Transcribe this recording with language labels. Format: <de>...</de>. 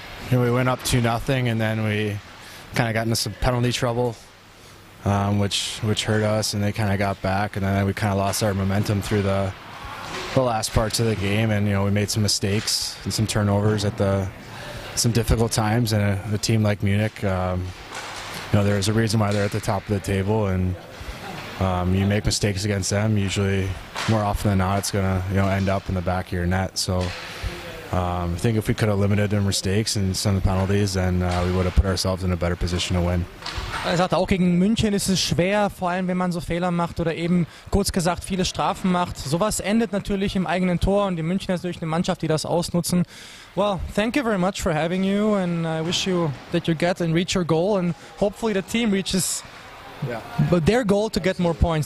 <en>We went up 2-0 and then we kind of got into some penalty trouble, which hurt us, and they kind of got back, and then we kind of lost our momentum through the last parts of the game, and we made some mistakes and some turnovers at some difficult times, and a team like Munich, there's a reason why they're at the top of the table, and you make mistakes against them, usually more often than not it's gonna end up in the back of your net. So I think if we could have limited their mistakes and some penalties, then we would have put ourselves in a better position to win.</en> <de>Er sagt auch, gegen München ist es schwer, vor allem wenn man so Fehler macht oder eben kurz gesagt viele Strafen macht. Sowas endet natürlich im eigenen Tor, und die München ist natürlich eine Mannschaft, die das ausnutzen.</de> <en>Well, thank you very much for having you, and I wish you that you get and reach your goal, and hopefully the team reaches their goal to get more points.</en>